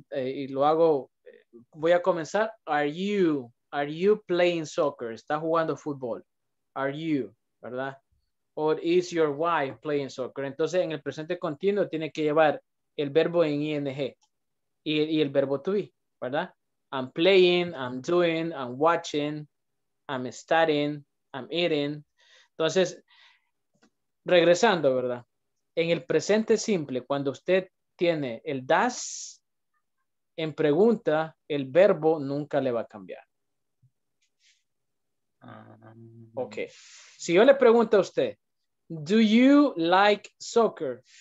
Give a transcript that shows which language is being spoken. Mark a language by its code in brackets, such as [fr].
[es] Y lo hago, voy a comenzar. [en] Are you playing soccer? [es] ¿Está jugando fútbol? [en] Are you, [es] ¿verdad? [en] Or is your wife playing soccer? [es] Entonces, en el presente continuo tiene que llevar el verbo en ing y el verbo to be, ¿verdad? [en] I'm playing, I'm doing, I'm watching, I'm studying, I'm eating. [es] Entonces, regresando, ¿verdad? En el presente simple, cuando usted tiene el does en pregunta, el verbo nunca le va a cambiar. Ok. Si yo le pregunto a usted, [en] do you like soccer?